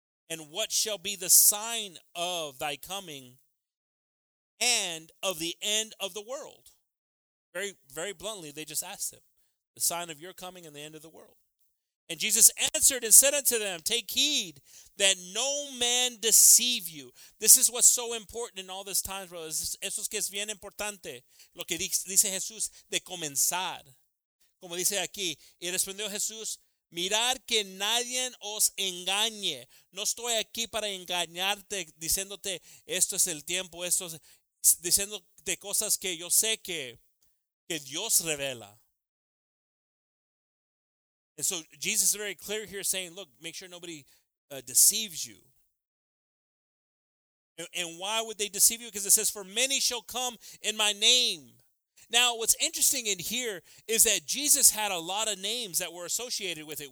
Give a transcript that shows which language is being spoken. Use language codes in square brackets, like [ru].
[en] And what shall be the sign of thy coming and of the end of the world? Very, very bluntly, they just asked him, the sign of your coming and the end of the world. And Jesus answered and said unto them, take heed that no man deceive you. This is what's so important in all this time, brothers. [es] Eso es que es bien importante, lo que dice Jesús, de comenzar. Como dice aquí, y respondió Jesús, mirad que nadie os engañe. No estoy aquí para engañarte, diciéndote, esto es el tiempo, esto es, diciéndote cosas que yo sé que Dios revela. [en] And so Jesus is very clear here saying, look, make sure nobody deceives you. And why would they deceive you? Because it says, for many shall come in my name. Now, what's interesting in here is that Jesus had a lot of names that were associated with it.